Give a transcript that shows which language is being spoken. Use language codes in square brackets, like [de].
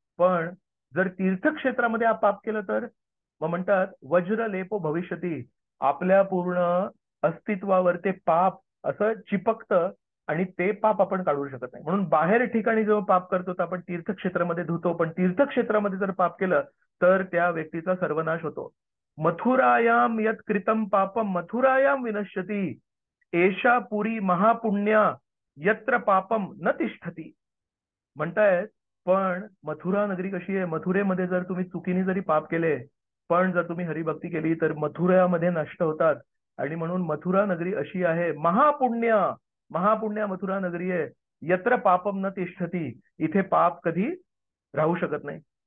[mr] पण जर तीर्थक्षेत्रामध्ये आप पाप केलं तर मग म्हणतात [sa] वज्र लेपो भविष्यति, [mr] आपल्या पूर्ण अस्तित्वावर ते पाप असं चिपकतं आणि ते पाप आपण काढू शकत नाही. म्हणून बाहेर ठिकाणी जेव्हा पाप करतो तर आपण तीर्थक्षेत्रामध्ये धुतो, पण तीर्थक्षेत्रामध्ये जर पाप केलं तर त्या व्यक्तीचा सर्वनाश होतो. [sa] मथुरायाम यत कृतम पापम मथुरायाम विनश्यति, एषा पुरी महापुण्या यत्र पापम न तिष्ठति. [mr] म्हणतायत पण मथुरा नगरी कशी आहे, मथुरेमध्ये जर तुम्ही चुकीने जरी पाप केले पण जर तुम्ही हरिभक्ती केली तर मथुरामध्ये नष्ट होतात. आणि म्हणून मथुरा नगरी अशी आहे महापुण्या, महापुण्या मथुरा नगरी आहे, [sa] यत्र पापम न तिष्ठती, [mr] इथे पाप कधी राहू शकत नाही.